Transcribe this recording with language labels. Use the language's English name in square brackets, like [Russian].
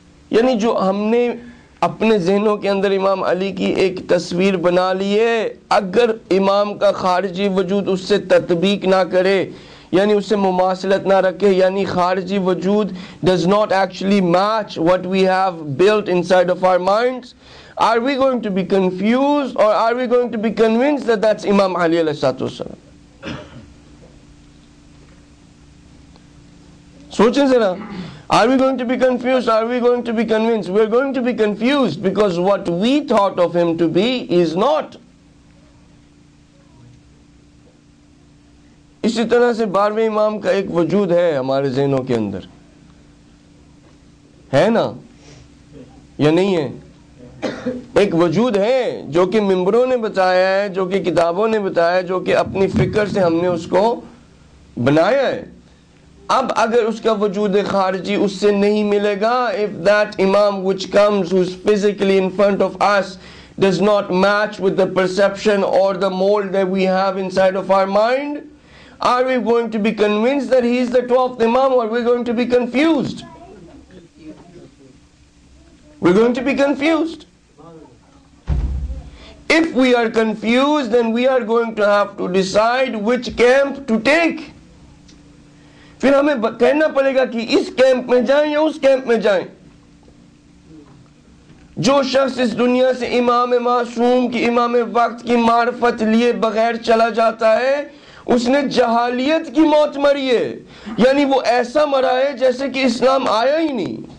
[Urdu] یعنی جو ہم نے اپنے ذہنوں کے اندر امام علی کی ایک تصویر بنا لی ہے, اگر امام کا خارجی وجود اس سے تطبیق نہ کرے, یعنی اس سے مماثلت نہ رکھے, یعنی خارجی وجود [English] does not actually match what we have built inside of our minds, are we going to be confused اور are we going to be convinced that's [Urdu] امام علی علیہ الصلوۃ والسلام. سوچیں ذرا, [English] are we going to be confused, are we going to be convinced, we are going to be confused because what we thought of him to be is not. [Urdu] اسی طرح سے بارہویں امام کا ایک وجود ہے ہمارے ذہنوں کے اندر, ہے نا یا نہیں ہے, ایک وجود ہے جو کہ ممبروں نے بتایا ہے, جو کہ کتابوں نے بتایا ہے, جو کہ اپنی فکر سے ہم نے اس کو بنایا ہے. اب اگر اس کا وجود خارجی اس سے نہیں ملے گا, [English] if that imam which comes who is physically in front of us does not match with the perception or the mold that we have inside of our mind, are we going to be convinced that he is the 12th imam or are we going to be confused? We're going to be confused. If we are confused, then we are going to have to decide which camp to take. [Urdu] پھر ہمیں کہنا پڑے گا کہ اس camp میں جائیں یا اس camp میں جائیں. جو شخص اس دنیا سے امام معصوم کی, امام وقت کی معرفت لیے بغیر چلا جاتا ہے, اس نے جہالیت کی موت مری ہے, یعنی وہ ایسا مرا ہے جیسے کہ اسلام آیا ہی نہیں.